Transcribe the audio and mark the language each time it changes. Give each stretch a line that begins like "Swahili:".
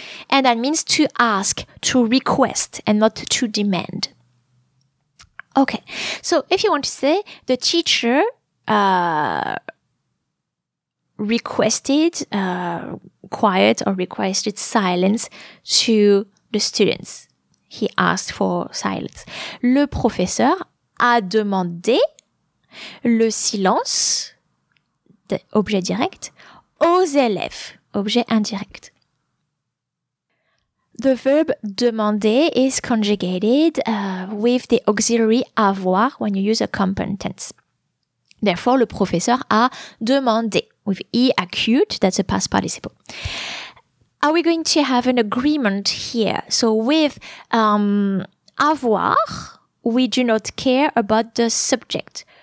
English: And that means to ask, to request, and not to demand. Okay, so if you want to say the teacher requested quiet or requested silence to the students. He asked for silence.
French: Le professeur a demandé le silence, objet direct, aux élèves, objet indirect.
English: The verb demander is conjugated with the auxiliary avoir when you use a competence. Therefore, le professeur a demandé. With E acute, that's a past participle. Are we going to have an agreement here? So with avoir, we do not care about the subject.